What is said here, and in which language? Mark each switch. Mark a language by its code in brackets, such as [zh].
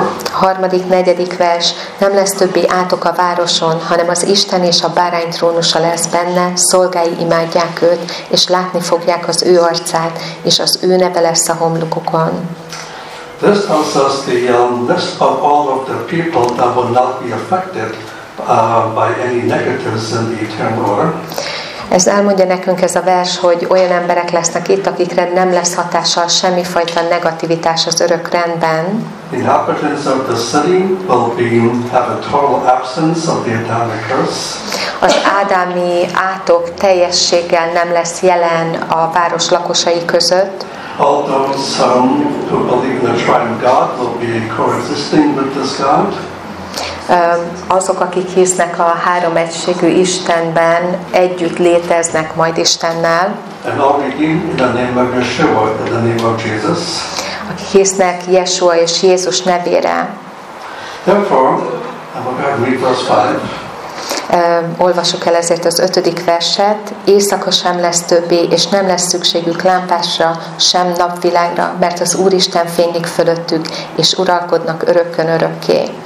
[hu] Harmadik, negyedik vers. Nem lesz többi átok a városon, hanem az Isten és a bárány trónusa lesz benne, szolgái imádják őt, és látni fogják az ő arcát, és az ő neve lesz a homlokukon. [en] This tells us the list of all of the people that will not be affected by any negatives in the eternal order. [hu] Ez elmondja nekünk ez a vers, hogy olyan emberek lesznek itt, akikre nem lesz hatással semmi fajta negativitás az örök rendben. [en] The inhabitants of the city will have a total absence of the Adamic curse. [hu] Az ádámi átok teljességgel nem lesz jelen a város lakosai között. [en] Although some who believe in the triune God will be coexisting with this God. [hu] Azok, akik hisznek a három egységű Istenben, együtt léteznek majd Istennel. [en] And all redeemed in the name of Yeshua, in the name of Jesus. [hu] Akik hisznek Yeshua és Jézus nevére. [en] Therefore, I'm going to read verse 5. [hu] Olvasok el ezért az ötödik verset. Éjszaka sem lesz többé, és nem lesz szükségük lámpásra, sem napvilágra, mert az Úristen fénylik fölöttük, és uralkodnak örökkön örökké.